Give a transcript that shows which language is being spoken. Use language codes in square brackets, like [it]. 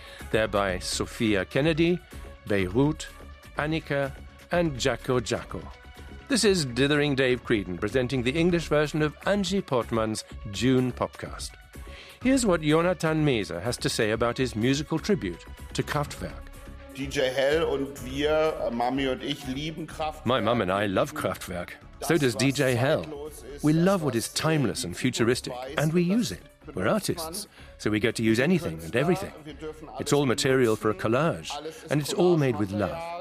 [en] They're by Sophia Kennedy, Beirut, Annika and Jaco Jaco. This is Dithering Dave Creedon presenting the English version of Angie Portman's June Popcast. Here's what Jonathan Mese has to say about his musical tribute to Kraftwerk. [de] DJ Hell und wir, Mami und ich, lieben Kraftwerk. [en] My mum and I love Kraftwerk. So does DJ Hell. We love what is timeless and futuristic, and we use it. We're artists, so we get to use anything and everything. It's all material for a collage, and it's all made with love.